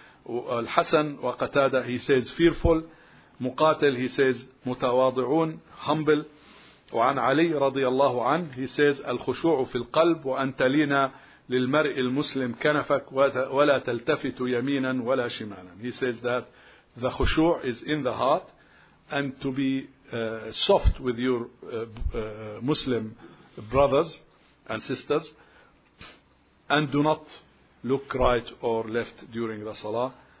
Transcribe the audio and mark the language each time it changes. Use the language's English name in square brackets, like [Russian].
[English] Al-Hasan wa Qatada, he says fearful. Muqatil, he says mutawadi'un, humble. [Arabic] وعن علي رضي الله عنه, [English] he says [Arabic] الخشوع في القلب وأن تلين للمرء المسلم كنفك ولا تلتفت يمينا ولا شمالا. [English] He says that the خشوع is in the heart and to be soft with your Muslim brothers and sisters, and do not look right or left during the salah.